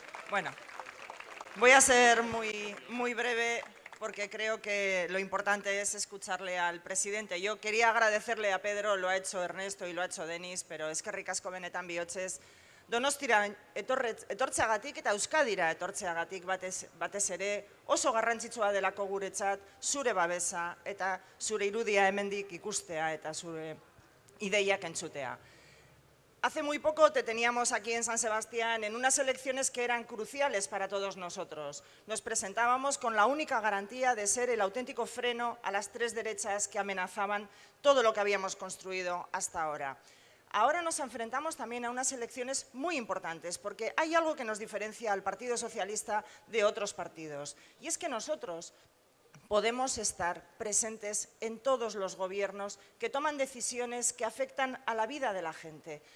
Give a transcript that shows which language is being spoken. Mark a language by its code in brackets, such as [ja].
[es] Bueno, voy a ser muy, muy breve, porque creo que lo importante es escucharle al presidente. Yo quería agradecerle a Pedro, lo ha hecho Ernesto y lo ha hecho Denis, pero es que [eu] ricasco benetan bihotzez. Donostira etortzeagatik eta Euskadira etortzeagatik batez ere oso garrantzitsua delako guretzat zure babesa eta zure irudia hemendik ikustea eta zure ideiak entzutea. [es] Hace muy poco te teníamos aquí en San Sebastián en unas elecciones que eran cruciales para todos nosotros. Nos presentábamos con la única garantía de ser el auténtico freno a las tres derechas que amenazaban todo lo que habíamos construido hasta ahora. Ahora nos enfrentamos también a unas elecciones muy importantes, porque hay algo que nos diferencia al Partido Socialista de otros partidos, y es que nosotros podemos estar presentes en todos los gobiernos que toman decisiones que afectan a la vida de la gente.